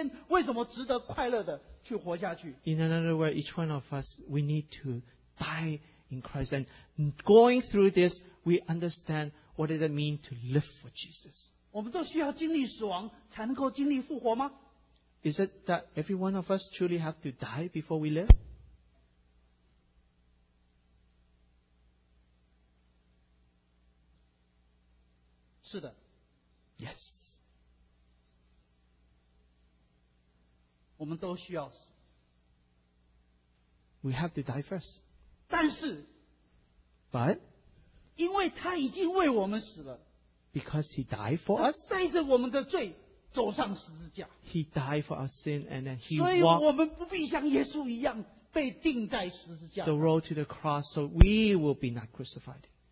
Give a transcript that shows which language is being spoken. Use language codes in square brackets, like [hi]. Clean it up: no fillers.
[zh] 都因信那叫他从死里复活神的功用。换句话说，也只有我们经历与耶稣一同死去的痛苦，我们才能够体会到今天为什么值得快乐的去活下去。 [en] In another word, each one of us, we need to die in Christ, and going through this, we understand what does it mean to live for Jesus. [zh] 我们都需要经历死亡，才能够经历复活吗？ [en] Is it that every one of us truly have to die before we live? Yes. [zh] 我们都需要死. [en] We have to die first. [zh] 但是, [en] but? [zh] 因为他已经为我们死了, [en] because he died for us? [zh] 带着我们的罪, [en] He died for our sin and then He walked the road to the cross so we will be not crucified.